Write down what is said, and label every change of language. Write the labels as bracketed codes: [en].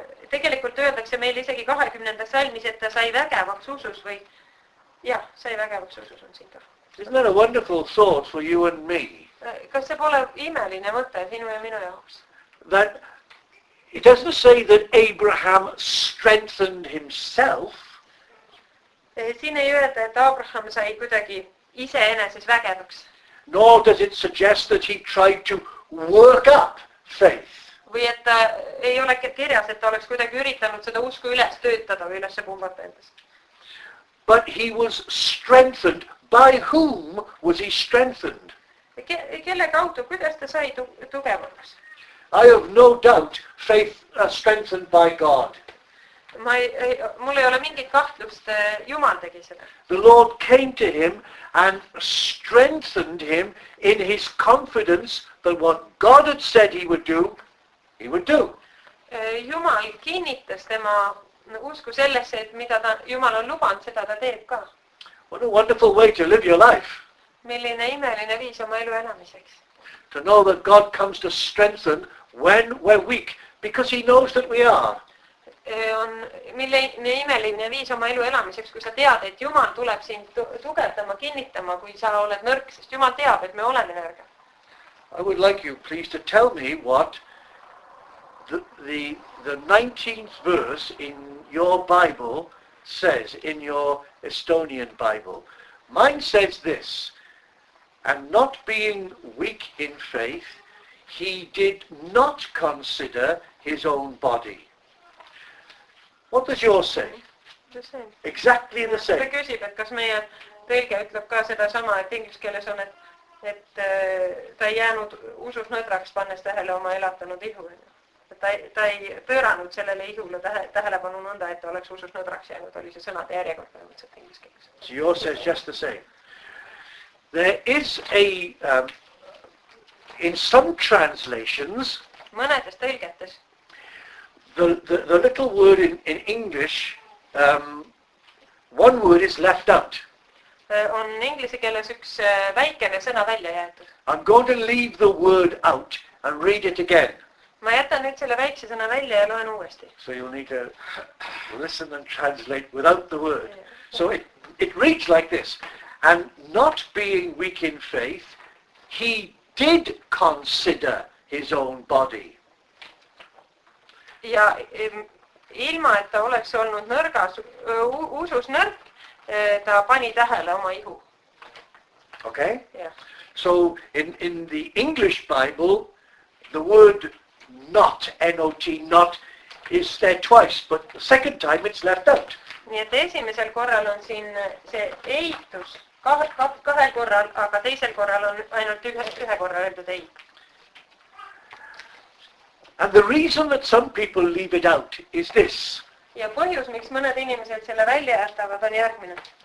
[et] Tegelikult öeldakse meil isegi 20. salmis, et ta sai vägevaks usus või... Jah, sai vägevaks usus on siin ka. [en] Isn't that a wonderful thought for you and me? [et] Kas see pole imeline mõte sinu ja minu jaoks? [en] That it doesn't say that Abraham strengthened himself. [et] Siin ei öelda, et Abraham sai kuidagi ise eneses vägevaks. [en] Nor does it suggest that he tried to work up faith. [et] Või et ta ei ole kirjas, et ta oleks kuidagi üritanud seda usku üles töötada või ülesse pumbata endas. [en] But he was strengthened. By whom was he strengthened? [et] Kelle kaudu, kuidas ta sai tugevaks? [en] I have no doubt faith strengthened by God. [et] Mul ei ole mingit kahtlust, Jumal tegi seda. [en] The Lord came to him and strengthened him in his confidence that what God had said he would do, he would do. [et] Jumal kinnitas tema usku sellesse, et mida ta, Jumal on lubanud, seda ta teeb ka. [en] What a wonderful way to live your life. [et] Milline imeline viis oma elu elamiseks. [en] To know that God comes to strengthen when we're weak, because he knows that we are. [et] On milline imeline viis oma elu elamiseks, kui sa tead, et Jumal tuleb sind tugevdama, kinnitama, kui sa oled nõrk, sest Jumal teab, et me oleme nõrga. [en] I would like you please to tell me what the 19th verse in your Bible says, in your Estonian Bible. Mine says this, and not being weak in faith, he did not consider his own body. What does yours say? The same. Exactly the same. [et] Ta küsib, et kas meie tõlge ütleb ka seda sama, et ingliskeeles on, et ta ei jäänud usus nõdraks pannes tähele oma elatanud ihu. Ta ei pööranud sellele ihule tähelepanu nõnda, et ta oleks usus nõdraks jäänud, oli see sõnade järjekord põhimõtteliselt ingliskeeles. [en] So yours says just the same. There is a, in some translations, [et] mõnedes tõlgetes, [en] The little word in English, one word is left out. [et] On inglise keeles üks väikene sõna välja jäetud. [en] I'm going to leave the word out and read it again. [et] Ma jätan nüüd selle väikse sõna välja ja loen uuesti. [en] So you'll need to listen and translate without the word. So it reads like this. And not being weak in faith, he did consider his own body. [et] Ja ilma, et ta oleks olnud nõrgas, usus nõrk, ta pani tähele oma ihu. [en] Okay. Yeah. So in the English Bible, the word not, N-O-T, not, is there twice, but the second time it's left out. [et] Nii et esimesel korral on siin see eitus kahel korral, aga teisel korral on ainult ühe korral öeldud ei. [en] And the reason that some people leave it out is this. [et] Ja põhjus, miks mõned inimesed selle välja jätavad, on järgmine.